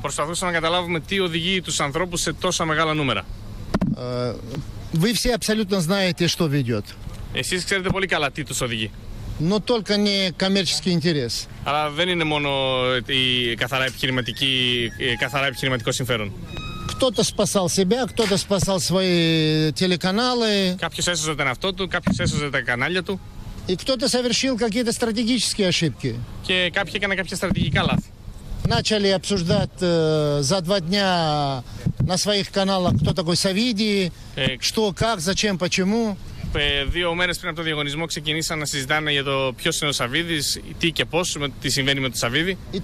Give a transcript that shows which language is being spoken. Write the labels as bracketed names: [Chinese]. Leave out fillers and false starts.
[Greek] Προσπαθούσαμε να καταλάβουμε τι οδηγεί τους ανθρώπους σε τόσα μεγάλα νούμερα. [Russian] Вы все абсолютно знаете, что ведет. [Greek] Εσείς ξέρετε πολύ καλά τι τους οδηγεί. [Russian] Но только не коммерческий интерес. [Greek] Αλλά δεν είναι μόνο η καθαρά επιχειρηματική, καθαρά επιχειρηματικό συμφέρον. [Russian] Кто-то спасал себя, кто-то спасал свои телеканалы. [Greek] Κάποιος έσωσε τον εαυτό του, κάποιος έσωσε τα κανάλια του. [Russian] И кто-то совершил какие-то стратегические ошибки. [Greek] Και κάποιοι έκαναν κάποια στρατηγικά λάθη. [Russian] Начали обсуждать за два дня на своих каналах, кто такой Савиди, что, как, зачем, почему. [Greek] Δύο μέρες πριν από το διαγωνισμό ξεκινήσαν να συζητάνε για το ποιος είναι ο Σαββίδης, τι και πώς, τι συμβαίνει με τον Σαββίδη.